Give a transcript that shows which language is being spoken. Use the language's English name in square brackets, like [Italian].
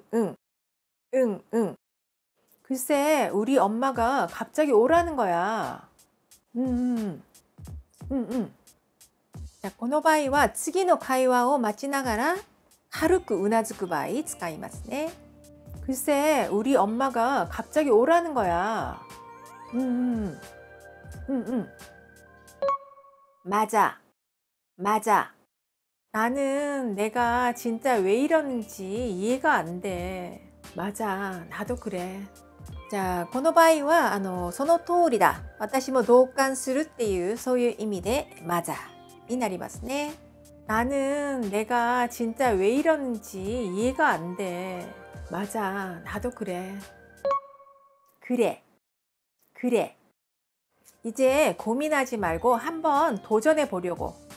[Japanese] その場面をイメージしながら見ていきましょう。うんうん。うんうん。 [Korean] 글쎄, 우리 엄마가 갑자기 오라는 거야. 응응. [Japanese] 자, この場合は次の会話を待ちながら軽くうなずく場合使いますね。 [Korean] 글쎄, 우리 엄마가 갑자기 오라는 거야. 응응. 맞아. 맞아. 나는 내가 진짜 왜 이러는지 이해가 안 돼. 맞아, 나도 그래. [Japanese] 자, この場合はその通りだ。私も同感するっていうそういう意味で、맞아になりますね。 [Korean] 나는 내가 진짜 왜 이러는지 이해가 안 돼. 맞아, 나도 그래. 그래, 그래. 이제 고민하지 말고 한번 도전해 보려고.